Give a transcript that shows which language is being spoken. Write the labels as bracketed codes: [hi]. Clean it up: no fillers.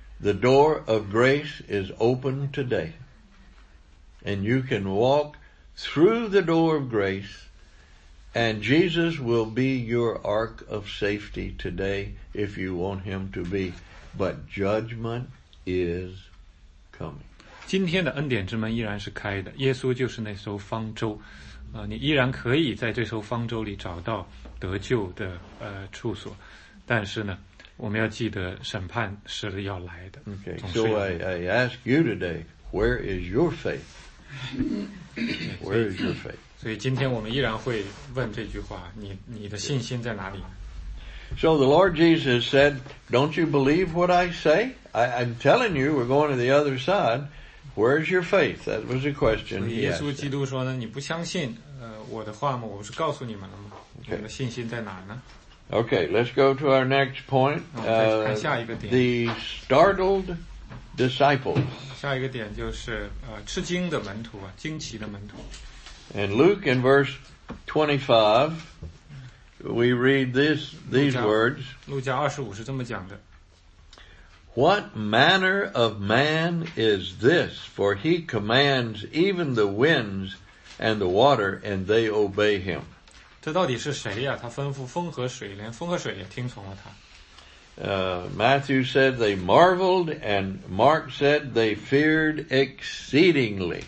[en] The door of grace is open today. And you can walk through the door of grace And Jesus will be your ark of safety today if you want him to be. But judgment is coming. [zh] 今天的恩典之门依然是开的，耶稣就是那艘方舟，你依然可以在这艘方舟里找到得救的处所，但是呢，我们要记得审判是要来的。 [en] Okay, so I ask you today, where is your faith? Where is your faith? [zh] 所以今天我们依然会问这句话，你的信心在哪里？ [en] So the Lord Jesus said, don't you believe what I say? I'm telling you, we're going to the other side. Where's your faith? That was the question. [zh] 所以耶稣基督说呢，你不相信我的话吗？我不是告诉你们了吗？ [en] Okay. [zh] 你们信心在哪呢？ [en] Okay, let's go to our next point. [zh] 再看下一个点。 [en] The startled disciples. [zh] 下一个点就是吃惊的门徒啊，惊奇的门徒。 [en] And Luke in verse 25,We read these words. [zh] 路加二十五是这么讲的。 [en] What manner of man is this? For he commands even the winds and the water, and they obey him. [zh] 这到底是谁呀？他吩咐风和水，连风和水也听从了他。 [en] Matthew said they marveled, and Mark said they feared exceedingly.